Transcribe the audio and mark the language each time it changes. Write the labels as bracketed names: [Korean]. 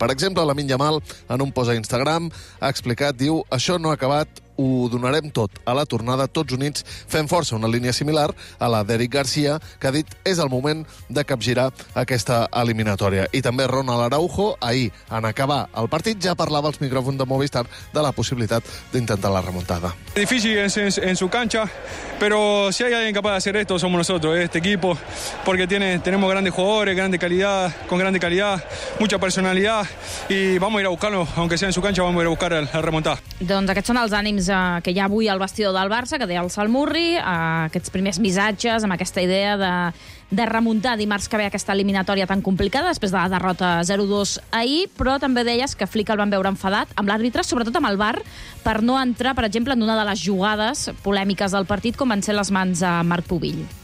[Catalan] Per exemple, Lamine Yamal, en un post a Instagram, ha explicat, diu, això no ha acabat, ho donarem tot a la tornada, tots units fem força, una línia similar a la d'Eric Garcia, que ha dit és el moment de capgirar aquesta eliminatòria. I també Ronald Araujo, ahir, en acabar el partit, ja parlava als micròfons de Movistar de la possibilitat d'intentar la remuntada. [Spanish] Difícil en su cancha, pero si hay alguien capaz de hacer esto, somos nosotros, este equipo, porque tenemos grandes jugadores, con grande calidad, mucha personalidad, y vamos a ir a buscarlo, aunque sea en su cancha, vamos a ir a buscar la remuntada. [Catalan] Doncs aquests són els ànims que hi ha avui al vestidor del Barça, que deia el Salmurri, aquests primers missatges amb aquesta idea de remuntar dimarts que ve aquesta eliminatòria tan complicada després de la derrota 0-2 ahir, però també deies que Flick el van veure enfadat amb l'àrbitre, sobretot amb el VAR, per no entrar, per exemple, en una de les jugades polèmiques del partit, com van ser les mans a Marc Pubill.